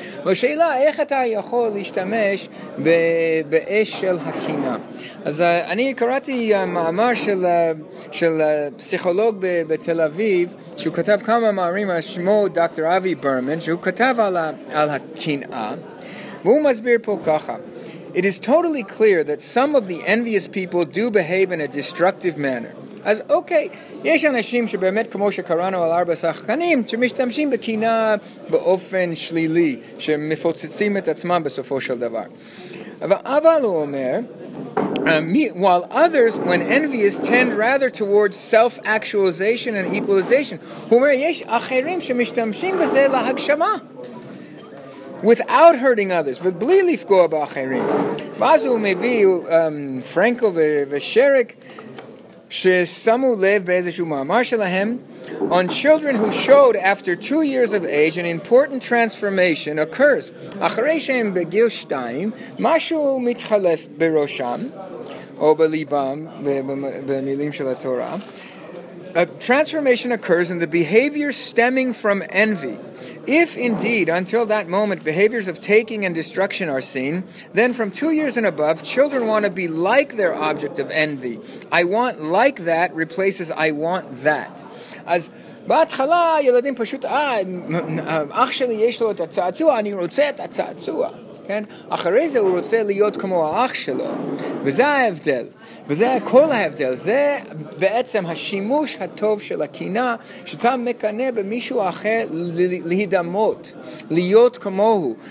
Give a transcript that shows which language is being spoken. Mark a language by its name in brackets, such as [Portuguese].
[Hebrew] והשאלה, איך אתה יכול להשתמש באש של הקינה? אז אני קראתי מאמר של פסיכולוג בתל אביב, שהוא כתב כמה מאמרים, שמו דוקטור אבי ברמן, שהוא כתב על הקינה, והוא מסביר פה ככה. [English] It is totally clear that some of the envious people do behave in a destructive manner. [Hebrew] אז אוקיי, יש אנשים שבאמת כמו שקראנו על ארבע שחקנים, שמשתמשים בקינה באופן שלילי, שמפוצצים את עצמם בסופו של דבר. אבל הוא אומר, [English] while others, when envious, tend rather towards self-actualization and equalization. [Hebrew] הוא אומר, יש אחרים שמשתמשים בזה להגשמה. [English] Without hurting others, with [Hebrew] בלי לפגוע באחרים. ואז הוא מביא פרנקל ושריק ששמו לב באיזשהו מאמר שלהם [English] on children who showed after 2 years of age an important transformation occurs. [Hebrew] אחרי שהם בגיל 2, משהו מתחלף בראשם או בליבם, במילים של התורה. [English] A transformation occurs in the behavior stemming from envy. If indeed, until that moment, behaviors of taking and destruction are seen, then from 2 years and above, children want to be like their object of envy. I want like that replaces I want that. [Hebrew] אז בהתחלה, ילדים פשוט, אח שלי יש לו את הצעצוע, אני רוצה את הצעצוע. כן? אחרי זה הוא רוצה להיות כמו האח שלו. וזה ההבדל. וזה כל ההבדל. זה בעצם השימוש הטוב של הקינה, שאתה מקנה במישהו אחר להידמות, להיות כמוהו.